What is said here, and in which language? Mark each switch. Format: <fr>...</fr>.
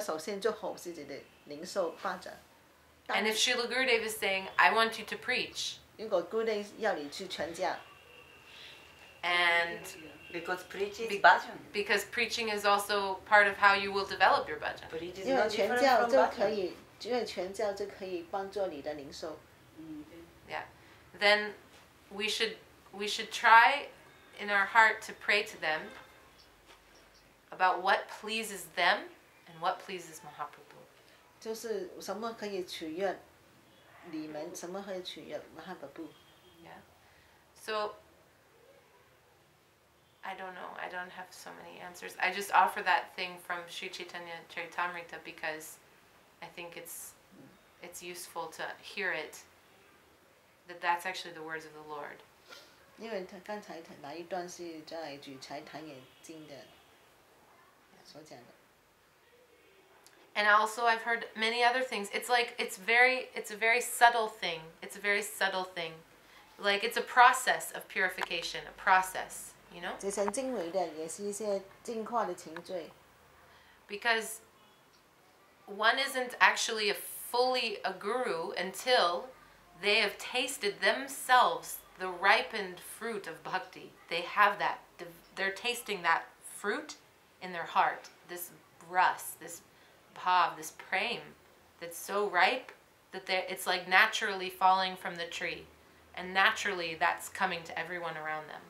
<zh>就是我们要首先做好自己的灵修发展。</zh> <en>And if Srila Gurudev is saying, I want you to preach.</en> <zh>如果Gurudev要你去传教,</zh> <en>and because preaching is bhajan. Because preaching is also part of how you will develop your bhajan. Preaching is not different from bhajan. Yeah. Then we should try in our heart to pray to them about what pleases them and what pleases Mahaprabhu.</en> <zh>就是什么可以取悦你们，什么可以取悦 Mahaprabhu.</zh> <en>Yeah. So, I don't know. I don't have so many answers. I just offer that thing from Sri Chaitanya Charitamrita because I think it's useful to hear it. That's actually the words of the Lord.</en> <zh>因为他刚才那一段是在举《财坛眼睛》的所讲的。</zh> <en>And also, I've heard many other things. It's like it's a very subtle thing. It's a very subtle thing, like it's a process of purification, a process. You know.</en> <zh>这些精微的也是一些净化的程序。</zh> <en>Because one isn't actually fully a guru until they have tasted themselves the ripened fruit of bhakti. They have that. They're tasting that fruit in their heart. This rus, this bhav, this prem, that's so ripe that it's like naturally falling from the tree, and naturally that's coming to everyone around them.</en>